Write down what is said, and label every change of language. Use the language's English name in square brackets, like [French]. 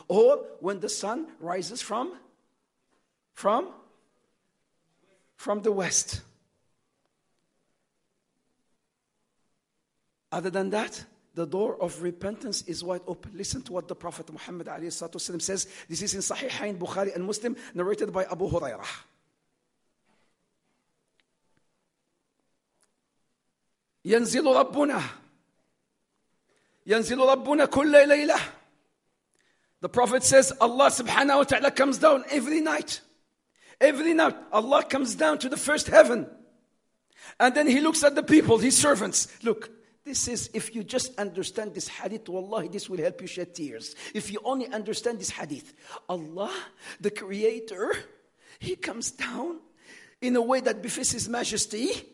[English] Or when the sun rises from the west. Other than that, the door of repentance is wide open. Listen to what the Prophet Muhammad says. This is in Sahihain Bukhari and Muslim, narrated by Abu Hurairah. [Arabic] ينزل ربنا ينزل ربنا كل ليلة. [English] The Prophet says, Allah subhanahu wa ta'ala comes down every night. Every night, Allah comes down to the first heaven. And then He looks at the people, His servants. Look, this is, if you just understand this hadith, wallahi, this will help you shed tears. If you only understand this hadith, Allah, the Creator, He comes down in a way that befits His majesty.